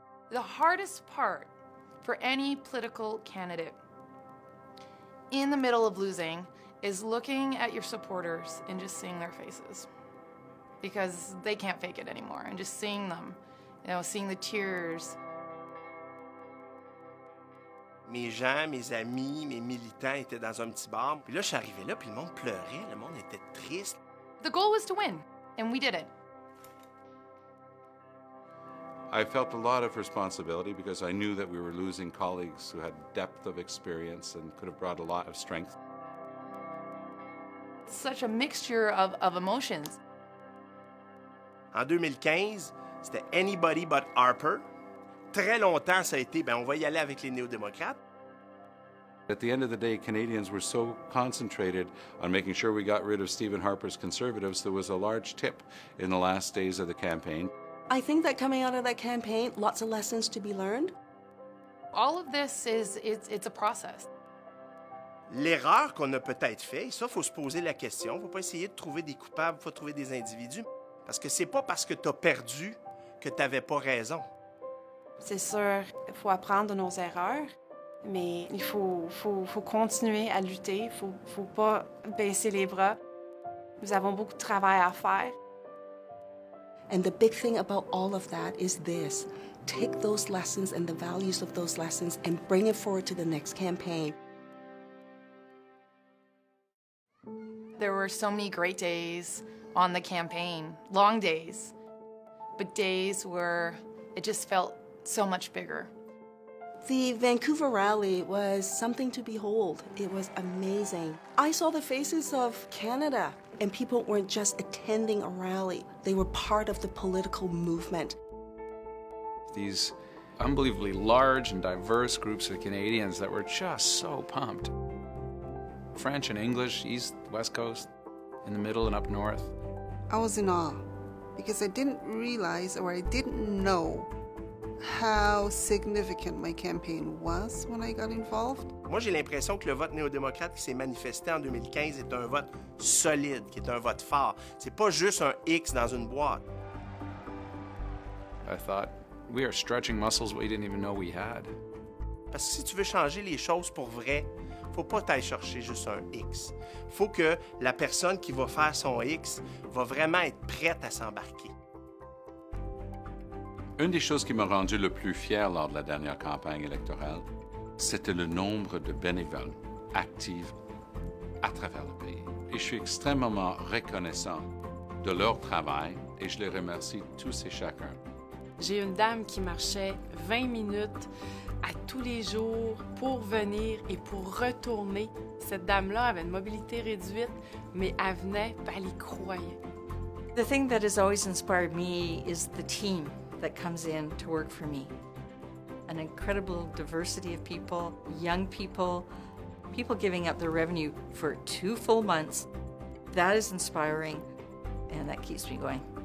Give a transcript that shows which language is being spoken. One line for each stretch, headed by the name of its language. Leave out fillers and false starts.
English: The hardest part for any political candidate in the middle of losing is looking at your supporters and just seeing their faces, because they can't fake it anymore. And just seeing them, you know, seeing the tears.
French: Mes gens, mes amis, mes militants étaient dans un petit bar. Puis là, je suis arrivé là, puis le monde pleurait, le monde était triste.
English: The goal was to win, and we did it. I felt a lot of responsibility because I knew that we were losing colleagues who had depth of experience and could have brought a lot of strength. Such a mixture of emotions.
French: En 2015, c'était
English: anybody but Harper.
French: Très longtemps, ça a été, ben, on va y aller avec les néo-démocrates.
English: At the end of the day, Canadians were so concentrated on making sure we got rid of Stephen Harper's Conservatives, there was a large tip in the last days of the campaign. I think that coming out of that campaign, lots of lessons to be learned. All of this is, it's a process.
French: L'erreur qu'on a peut-être fait, ça, faut se poser la question, faut pas essayer de trouver des coupables, faut trouver des individus. Parce que c'est pas parce que t'as perdu que t'avais pas raison. C'est sûr, il faut apprendre de nos erreurs, mais il faut continuer à lutter, il faut pas baisser les bras. Nous avons beaucoup de travail à faire.
English: And the big thing about all of that is this: take those lessons and the values of those lessons and bring it forward to the next campaign. There were so many great days on the campaign, long days, but days where it just felt so much bigger. The Vancouver rally was something to behold. It was amazing. I saw the faces of Canada, and people weren't just attending a rally. They were part of the political movement. These unbelievably large and diverse groups of Canadians that were just so pumped. French and English, East, West Coast, in the middle and up north. I was in awe because I didn't realize or I didn't know how significant my campaign was when I got involved.
French: Moi, j'ai l'impression que le vote néo-démocrate qui s'est manifesté en 2015 est un vote solide, qui est un vote fort. C'est pas juste un X dans une boîte.
English: I thought, we are stretching muscles we didn't even know we had.
French: Parce que si tu veux changer les choses pour vrai, faut pas t'aller chercher juste un X. Faut que la personne qui va faire son X va vraiment être prête à s'embarquer. Une des choses qui m'a rendu le plus fier lors de la dernière campagne électorale, c'était le nombre de bénévoles actifs à travers le pays. Et je suis extrêmement reconnaissant de leur travail et je les remercie tous et chacun. J'ai une dame qui marchait 20 minutes à tous les jours pour venir et pour retourner. Cette dame-là avait une mobilité réduite, mais elle venait, elle y croyait.
English: The thing that has always inspired me is the team that comes in to work for me. An incredible diversity of people, young people, people giving up their revenue for 2 full months. That is inspiring, and that keeps me going.